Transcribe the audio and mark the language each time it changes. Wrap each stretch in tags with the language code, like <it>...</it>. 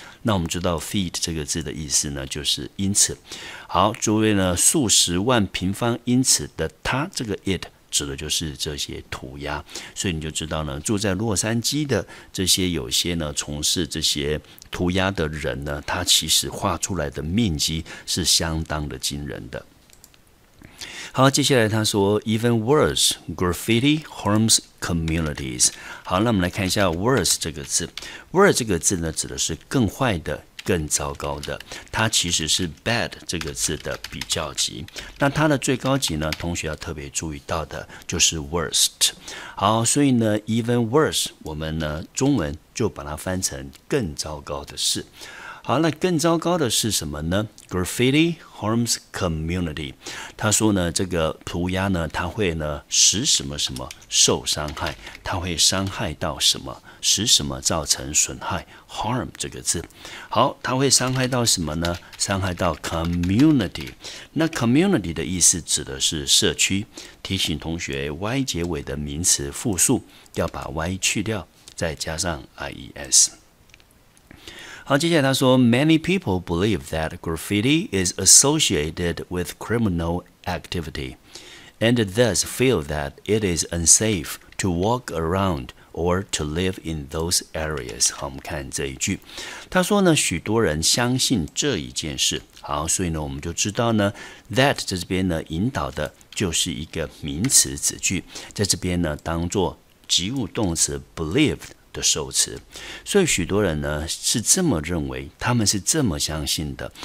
<zh>那我们知道 feet 这个字的意思呢就是英尺。好，诸位呢数十万平方英尺的它这个 it指的就是这些涂鸦，所以你就知道呢，住在洛杉矶的这些有些呢从事这些涂鸦的人呢，他其实画出来的面积是相当的惊人的。好，接下来他说</zh> <en>，even worse， graffiti harms communities。</en> <zh>好，那我们来看一下 worse 这个字 ，worse 这个字呢指的是更坏的、更糟糕的，它其实是 bad 这个字的比较级。那它的最高级呢，同学要特别注意到的就是 worst。好，所以呢</zh> <en>even worse</en> <zh>我们呢中文就把它翻成更糟糕的事。好，那更糟糕的是什么呢？</zh> <en>graffiti harms community。</en> <zh>他说呢这个涂鸦呢它会呢使什么什么受伤害，它会伤害到什么，使什么造成损害 harm 这个字。好，它会伤害到什么呢？伤害到 community。那 community 的意思指的是社区。提醒同学 y 结尾的名词复数要把 y 去掉再加上 ies。</zh> <en>好，接下来他说 Many people believe that graffiti is associated with criminal activity and thus feel that it is unsafe to walk around or to live in those areas。</en> <zh>好，我们看这一句，他说呢许多人相信这一件事。好，所以呢我们就知道呢 that 在这边呢引导的就是一个名词子句，在这边呢当作及物动词 believed的受词，所以许多人呢是这么认为，他们是这么相信的。</zh>